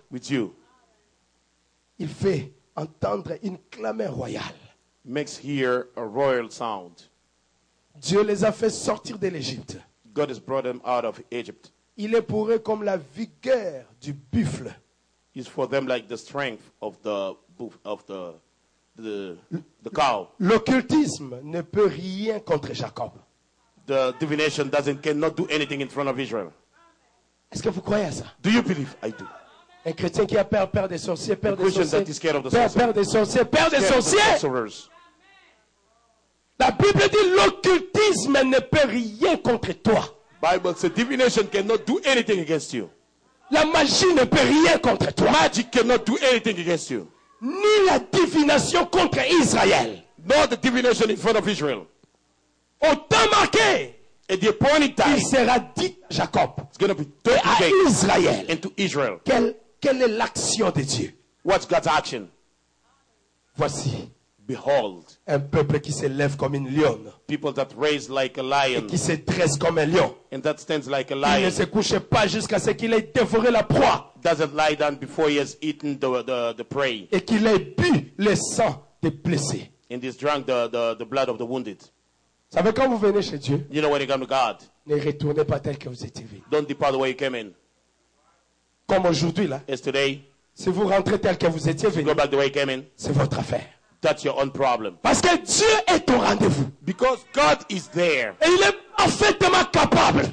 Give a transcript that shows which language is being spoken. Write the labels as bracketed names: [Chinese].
[English] With you. [French] Il fait entendre une clameur royale. [English] Makes hear a royal sound. [French] Dieu les a fait sortir de l'Égypte. [English] God has brought them out of Egypt. [French] Il est pour eux comme la vigueur du buffle. [English] It's for them like the strength of the cow. [French] L'occultisme ne peut rien contre Jacob. [English] The divination cannot do anything in front of Israel. [French] Est-ce que vous croyez à ça? [English] Do you believe? I do. [French] Un chrétien qui a peur des sorciers, peur des sorciers. [English] That is scared of the sorcerers. [French] Peur des sorciers, peur des sorciers. La Bible dit l'occultisme ne peut rien contre toi. [English] Bible says divination cannot do anything against you. [French] La magie ne peut rien contre toi. [English] Magic cannot do anything against you. [French] Ni la divination contre Israël. [English] Nor the divination in front of Israel. [French] Au temps marqué, [English] at the appointed time, [French] il sera dit Jacob. [English] It's going to be told [French] à Israël. [English] And to Israel. [French] Quelle est l'action de Dieu? [English] What's God's action? [French] Voici. [English] Behold, [French] un peuple qui se lève comme une lionne. [English] People that raise like a lion, [French] et qui se dresse comme un lion. [English] And that stands like a lion. [French] Il ne se couche pas jusqu'à ce qu'il ait dévoré la proie. [English] doesn't lie down before he has eaten the prey. [French] Et qu'il ait bu le sang des blessés. [English] And he's drunk the blood of the wounded. [French] Vous savez, quand vous venez chez Dieu, [English] you know, when you come to God, [French] ne retournez pas tel que vous étiez venu. [English] Don't depart the way you came in. [French] Comme aujourd'hui là. [English] Yesterday, [French] si vous rentrez tel que vous étiez venu, [English] go back the way you came in, [French] c'est votre affaire. [English] That's your own problem. [French] Parce que Dieu est au rendez-vous. [English] Because God is there. [French] Et il est parfaitement capable.